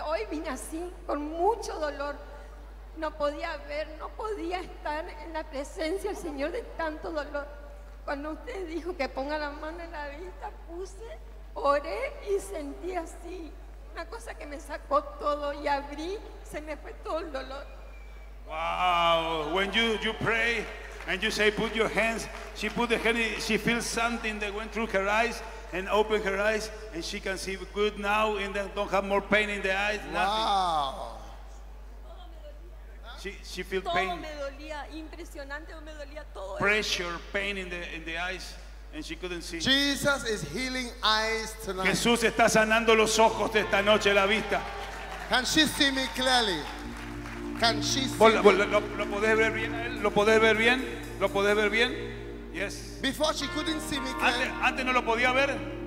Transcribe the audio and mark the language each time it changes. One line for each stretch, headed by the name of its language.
Spanish: Hoy vine así, con mucho dolor. No podía ver, no podía estar en la presencia del Señor de tanto dolor. Cuando usted dijo que ponga la mano en la vista, puse, oré y sentí así. Una cosa que me sacó todo y abrí, se me fue todo el dolor.
English: Wow, when you pray and you say put your hands, she put the hand, she feels something that went through her eyes and opened her eyes and she can see good now and don't have more pain in the eyes. Wow. She feel
Spanish: todo
English: pain.
Spanish: Todo me dolía, impresionante, me dolía todo.
English: Pressure, pain in the eyes, and she couldn't see. Jesus is healing eyes tonight.
Spanish: Jesús está sanando los ojos de esta noche, la vista.
English: Can she see me clearly? Can she see?
Spanish: ¿Lo podés ver bien a él? ¿Lo podés ver bien? ¿Lo podés ver bien?
English: Yes. Before she couldn't see me clearly.
Spanish: Antes no lo podía ver.